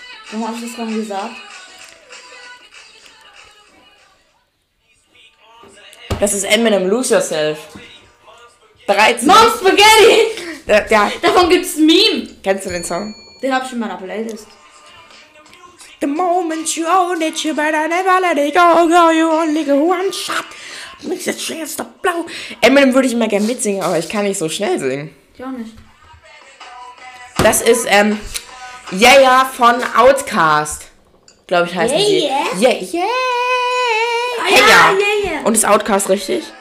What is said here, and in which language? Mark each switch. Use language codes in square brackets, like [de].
[de] Warum habe ich das gerade gesagt? Das ist Eminem, Lose Yourself. 13. [en] Mom Spaghetti! [de] Ja. Davon gibt's ein Meme! Kennst du den Song? Den hab ich in meiner Playlist. [en] The moment you own it, you better never let it go, girl, you only get one shot. Mix the chance to blow. [de] Eminem würde ich immer gerne mitsingen, aber ich kann nicht so schnell singen. Ich auch nicht. Das ist, Yeah, yeah von Outkast. Glaube ich, heißt yeah, die. Yeah, yeah. Yeah, oh, hey, ja. Yeah, yeah. Und ist Outkast richtig?